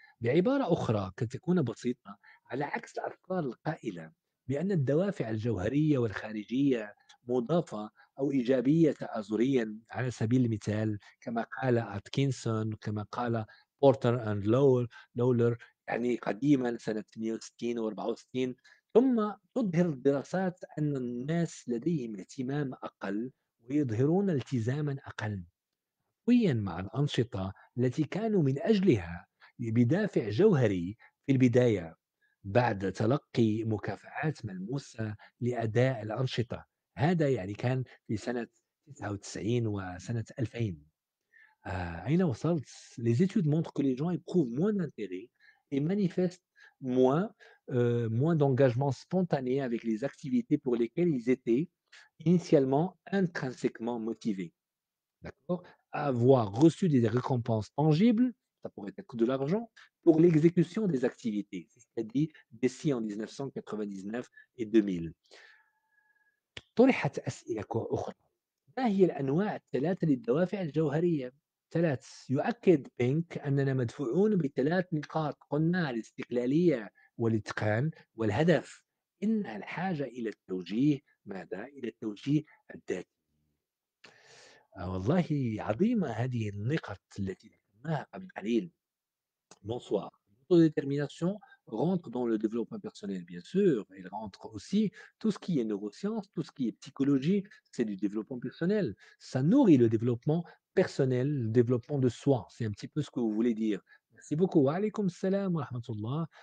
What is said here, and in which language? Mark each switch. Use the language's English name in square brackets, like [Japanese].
[Arabic] بعبارة أخرى قد تكون بسيطة، على عكس الأفكار القائلة بأن الدوافع الجوهرية والخارجية مضافة أو إيجابية تآزريا، على سبيل المثال كما قال أتكنسون، كما قال بورتر أند لولر يعني قديما سنة 62 و64، ثم تظهر الدراسات أن الناس لديهم اهتمام أقل ويظهرون التزاما أقل قويا مع الأنشطة التي كانوا من أجلها بدافع جوهري في البداية بعد تلقي مكافآت ملموسة لأداء الأنشطة. هذا يعني كان في سنة 99 وسنة 2000. أين وصلت؟ [French] Les études montrent que les gens éprouvent moins d'intérêt et manifestent moins d'engagement spontané avec les activités pour lesquelles ils étaient initialement intrinsèquement motivés. D'accord? Avoir reçu des récompenses tangibles, ça pourrait être de l'argent, pour l'exécution des activités. C'est-à-dire, d'ici en 1999 et 2000. [Arabic] طرحت أسئلة أخرى، ما هي الأنواع الثلاثة للدوافع الجوهرية؟ ثلاث، يؤكد بينك أننا مدفوعون بثلاث نقاط، قلنا الاستقلالية والإتقان والهدف. إنها الحاجة إلى التوجيه، ماذا؟ إلى التوجيه الذاتي. والله عظيمة هذه النقط التي ذكرناها قبل قليل. [French] Bonsoir. L'autodétermination rentre dans le développement personnel, bien sûr. Il rentre aussi tout ce qui est neurosciences, tout ce qui est psychologie, c'est du développement personnel. Ça nourrit le développement personnel, le développement de soi. C'est un petit peu ce que vous voulez dire. Merci beaucoup. [Arabic] Wa alaykoum salam wa rahmatullah.